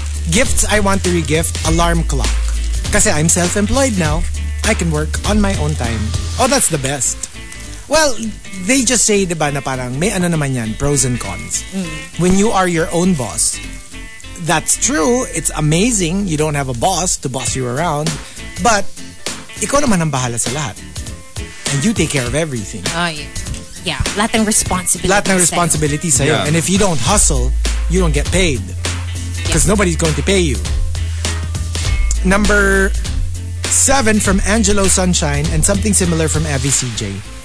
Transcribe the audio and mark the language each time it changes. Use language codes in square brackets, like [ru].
[en] Gifts I want to regift: alarm clock. [tl] Kasi [en] I'm self-employed now. I can work on my own time. Oh, that's the best. Well, they just say, [tl] diba, na parang may ano naman yan, [en] pros and cons. Mm. When you are your own boss, that's true. It's amazing. You don't have a boss to boss you around. [tl] But, ikaw naman ang bahala sa lahat. [en] And you take care of everything. [tl] Lahat ng responsibility. Lahat ng responsibility sa'yo. Yeah. [en] And if you don't hustle, you don't get paid. Because nobody's going to pay you. Number 7 from Angelo Sunshine and something similar from Evie CJ.